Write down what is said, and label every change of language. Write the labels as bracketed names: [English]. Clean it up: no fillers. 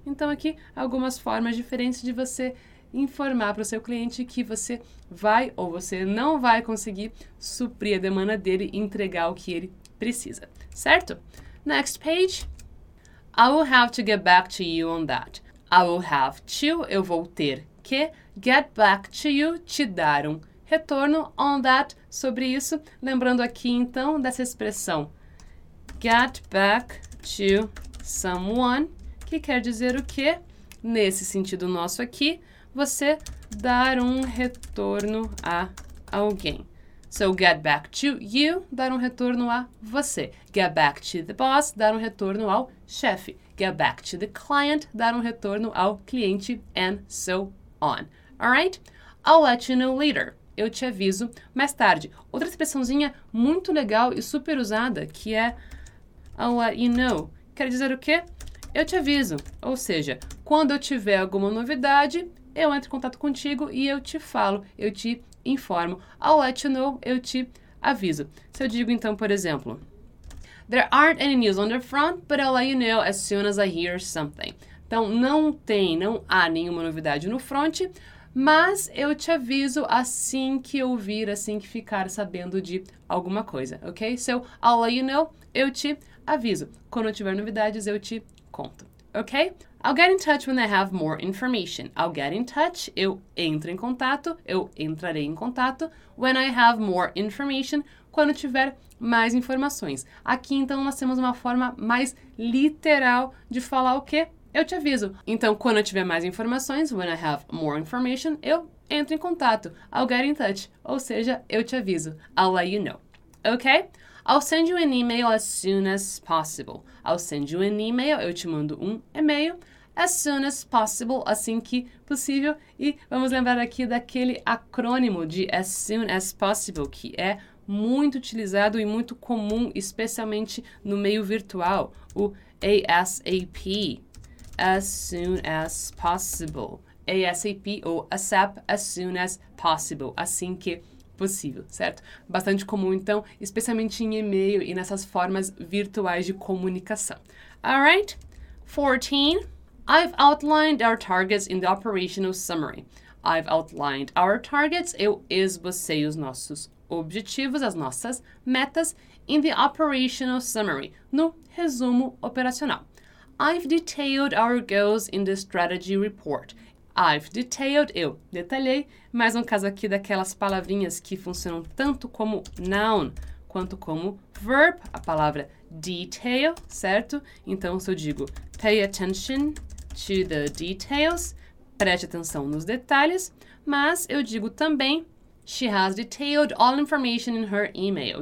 [Portuguese] Então, aqui, algumas formas diferentes de você informar para o seu cliente que você vai ou você não vai conseguir suprir a demanda dele e entregar o que ele precisa. Certo? [English] Next page. I will have to get back to you on that. I will have to, [Portuguese] eu vou ter que, [English] get back to you, [Portuguese] te dar um retorno [English] on that, [Portuguese] sobre isso. Lembrando aqui, então, dessa expressão, [English] get back to someone, [Portuguese] que quer dizer o quê? Nesse sentido nosso aqui, você dar um retorno a alguém. [English] So, get back to you, [Portuguese] dar um retorno a você. [English] Get back to the boss, [Portuguese] dar um retorno ao chefe. [English] Get back to the client, [Portuguese] dar um retorno ao cliente, [English] and so on. Alright? I'll let you know later. [Portuguese] Eu te aviso mais tarde. Outra expressãozinha muito legal e super usada, que é [English] I'll let you know. [Portuguese] Quer dizer o quê? Eu te aviso. Ou seja, quando eu tiver alguma novidade, eu entro em contato contigo e eu te falo, eu te informo. [English] I'll let you know, [Portuguese] eu te aviso. Se eu digo, então, por exemplo, [English] there aren't any news on the front, but I'll let you know as soon as I hear something. [Portuguese] Então, não tem, não há nenhuma novidade no front, mas eu te aviso assim que ouvir, assim que ficar sabendo de alguma coisa, ok? [English] So, I'll let you know, [Portuguese] eu te aviso. Quando eu tiver novidades, eu te conto, ok? [English] I'll get in touch when I have more information. I'll get in touch, [Portuguese] eu entro em contato, eu entrarei em contato, [English] when I have more information, [Portuguese] quando tiver mais informações. Aqui, então, nós temos uma forma mais literal de falar o quê? Eu te aviso. Então, quando eu tiver mais informações, [English] when I have more information, [Portuguese] eu entro em contato. [English] I'll get in touch. [Portuguese] Ou seja, eu te aviso. [English] I'll let you know. [Portuguese] Ok? [English] I'll send you an email as soon as possible. I'll send you an email. [Portuguese] Eu te mando um e-mail. [English] As soon as possible. [Portuguese] Assim que possível. E vamos lembrar aqui daquele acrônimo de [English] as soon as possible, [Portuguese] que é muito utilizado e muito comum, especialmente no meio virtual. O ASAP. [English] As soon as possible. [Portuguese] ASAP ou ASAP, [English] as soon as possible. [Portuguese] Assim que possível, certo? Bastante comum, então, especialmente em e-mail e nessas formas virtuais de comunicação. [English] Alright? 14. I've outlined our targets in the operational summary. I've outlined our targets. [Portuguese] Eu esbocei os nossos objetivos, as nossas metas, [English] in the operational summary, [Portuguese] no resumo operacional. [English] I've detailed our goals in the strategy report. I've detailed, [Portuguese] eu detalhei, mais um caso aqui daquelas palavrinhas que funcionam tanto como noun quanto como verb, a palavra detail, certo? Então, se eu digo [English] pay attention to the details, [Portuguese] preste atenção nos detalhes, mas eu digo também [English] she has detailed all information in her email.